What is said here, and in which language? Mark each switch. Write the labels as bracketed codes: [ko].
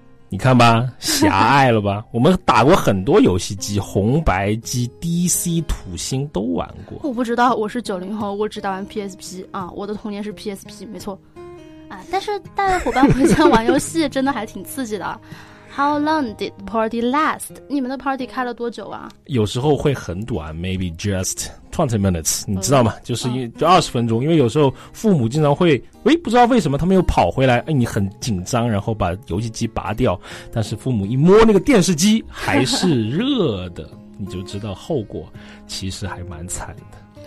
[zh] 你看吧，狭隘了吧。我们打过很多游戏机，红白机、 DC 土星都玩过。我不知道，我是90后，我只打完 PSP 啊，我的童年是 PSP 没错啊。但是带伙伴回家玩游戏真的还挺刺激的。 [en] How long did the party last? [zh] 你们的 party 开了多久啊？有时候会很短 ， [en] maybe just 20 minutes， [zh] 你知道吗？ Okay. 就是就20分钟，因为有时候父母经常会，哎，不知道为什么他们又跑回来，哎，你很紧张，然后把游戏机拔掉，但是父母一摸那个电视机还是热的，你就知道后果其实还蛮惨的。